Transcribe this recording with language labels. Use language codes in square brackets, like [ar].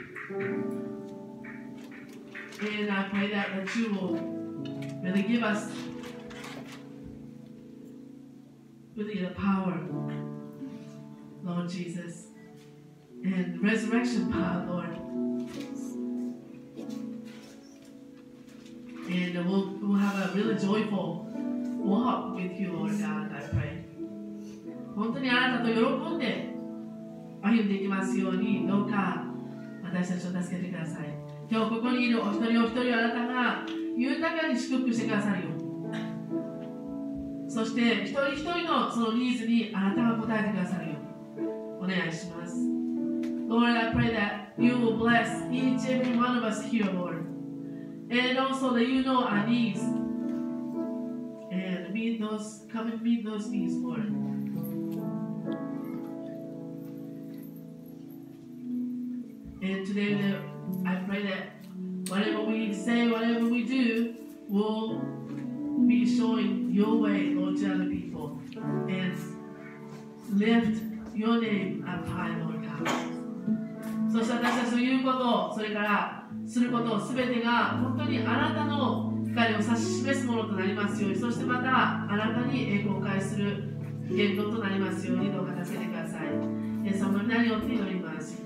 [en] And I pray that, that you will really give us really the power, Lord Jesus, and resurrection power, Lord. And we'll have a really joyful walk with you, Lord God, I pray. [ja] 本当にあなたと喜んで歩んでいきますように、どうか私たちを助けてください。今日ここにいるお一人お一人、あなたが豊かに祝福してくださるよ。そして一人一人のそのニーズにあなたが応えてくださるよ。お願いします。 [en] Lord, I pray that you will bless each and every one of us here, Lord. And also that you know our needs. And meet those, come and meet those needs, Lord. And today I pray that whatever we say, whatever we do, will be showing your way, Lord, to other people. And lift your name up high, Lord God. [ja] そして私たちの言うこと、それからすること、すべてが本当にあなたの光を指し示すものとなりますように、そしてまたあなたに栄光を返する言語となりますように、どうか助けてください。皆様の名によって祈ります。